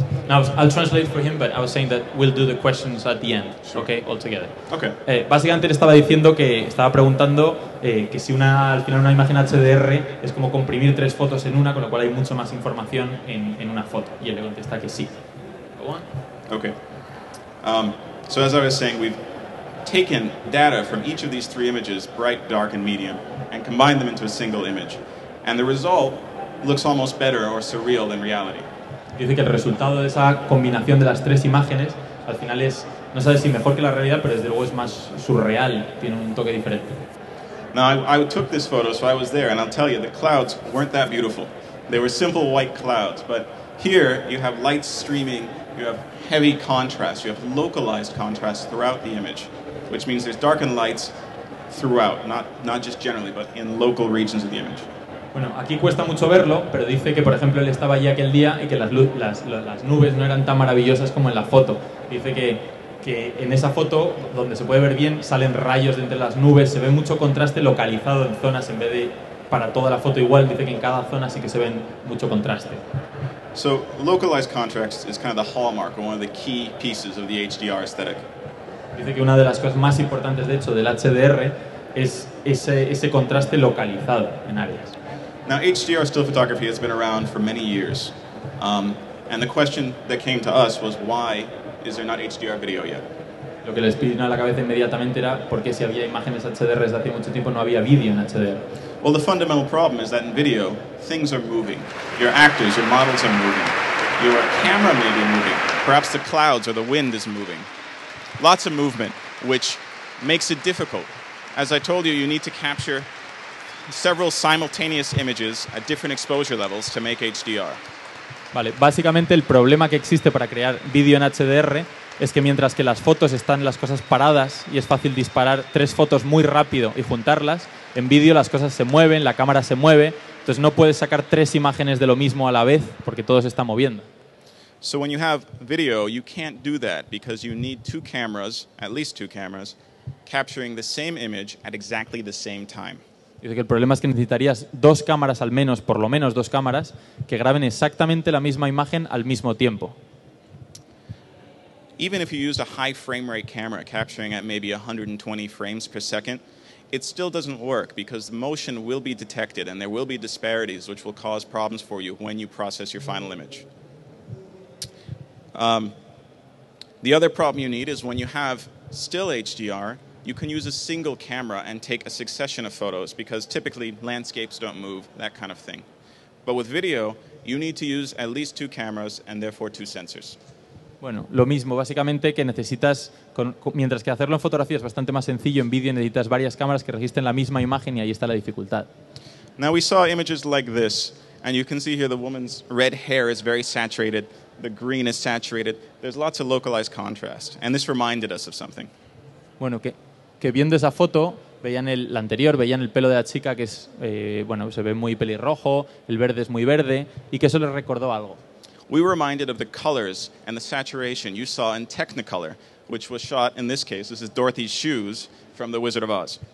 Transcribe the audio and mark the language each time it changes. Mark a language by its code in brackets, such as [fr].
[en] Now, I'll translate for him, but I was saying that we'll do the questions at the end, okay, all together. Okay. [es] Básicamente le estaba diciendo que estaba preguntando que si una, al final una imagen HDR es como comprimir tres fotos en una, con lo cual hay mucho más información en una foto. Y él le contesta que sí. [en] Go on. Okay. So as I was saying, we've taken data from each of these three images, bright, dark, and medium, and combined them into a single image. And the result looks almost better or surreal than reality. [es] Dice que el resultado de esa combinación de las tres imágenes al final es, no sabes si mejor que la realidad, pero desde luego es más surreal, tiene un toque diferente. [en] Now, I took this photo, so I was there, and I'll tell you, the clouds weren't that beautiful. They were simple white clouds, but here you have light streaming, you have heavy contrast, you have localized contrast throughout the image, which means there's darkened lights throughout, not just generally, but in local regions of the image. [es] Bueno, aquí cuesta mucho verlo, pero dice que, por ejemplo, él estaba allí aquel día y que las nubes no eran tan maravillosas como en la foto. Dice que en esa foto, donde se puede ver bien, salen rayos de entre las nubes, se ve mucho contraste localizado en zonas en vez de para toda la foto igual. Dice que en cada zona sí que se ven mucho contraste. [en] So, localized contrast is kind of the hallmark, one of the key pieces of the HDR aesthetic. [es] Dice que una de las cosas más importantes, de hecho, del HDR es ese contraste localizado en áreas. [en] Now, HDR still photography has been around for many years, and the question that came to us was, why is there not HDR video yet? [es] Lo que les vino a la cabeza inmediatamente era, ¿por qué si había imágenes HDR desde hace mucho tiempo no había vídeo en HDR? [en] Well, the fundamental problem is that in video, things are moving. Your actors, your models are moving. Your camera may be moving. Perhaps the clouds or the wind is moving. Lots of movement, which makes it difficult. As I told you, you need to capture several simultaneous images at different exposure levels to make HDR. [es] Vale, básicamente el problema que existe para crear vídeo en HDR es que mientras que las fotos están las cosas paradas y es fácil disparar tres fotos muy rápido y juntarlas, en vídeo las cosas se mueven, la cámara se mueve, entonces no puedes sacar tres imágenes de lo mismo a la vez porque todo se está moviendo. [en] So when you have video, you can't do that because you need two cameras, at least two cameras, capturing the same image at exactly the same time. [es] Dice que el problema es que necesitarías dos cámaras al menos, por lo menos dos cámaras, que graben exactamente la misma imagen al mismo tiempo. [en] Even if you use a high frame rate camera capturing at maybe 120 frames per second, it still doesn't work because the motion will be detected and there will be disparities which will cause problems for you when you process your final image. The other problem you need is when you have still HDR, you can use a single camera and take a succession of photos because typically landscapes don't move, that kind of thing. But with video, you need to use at least two cameras and therefore two sensors. [es] Bueno, lo mismo, básicamente que necesitas, mientras que hacerlo en fotografía es bastante más sencillo, en vídeo necesitas varias cámaras que registren la misma imagen y ahí está la dificultad. [en] Now we saw images like this, and you can see here the woman's red hair is very saturated, the green is saturated, there's lots of localized contrast, and this reminded us of something. [es] Bueno, que viendo esa foto, veían la anterior, veían el pelo de la chica que es, bueno, se ve muy pelirrojo, el verde es muy verde, y que eso les recordó algo. [en] We were reminded of the colors and the saturation you saw in Technicolor, which was shot, in this case, this is Dorothy's shoes from The Wizard of Oz.